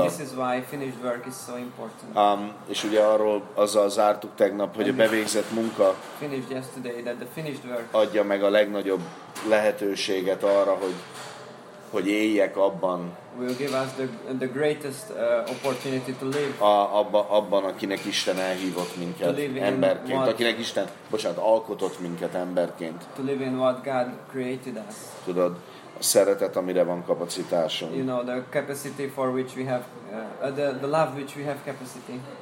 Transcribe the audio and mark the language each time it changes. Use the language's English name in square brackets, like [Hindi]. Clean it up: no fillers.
[English] And this is why finished work is so important. [Hungarian] És ugye arról azzal zártuk tegnap, hogy [English] and [Hungarian] a bevégzett munka [English] finished yesterday that the finished work [Hungarian] adja meg a legnagyobb lehetőséget arra, hogy éljek abban. [English] Will give us the greatest opportunity to live. [Hungarian] Abban, akinek Isten elhívott minket emberként, akinek Isten, bocsánat, alkotott minket emberként. [English] To live in what God created us. [Hungarian] Tudod, a szeretet, amire van kapacitásom. [English] You know, the capacity for which we have, the love which we have capacity.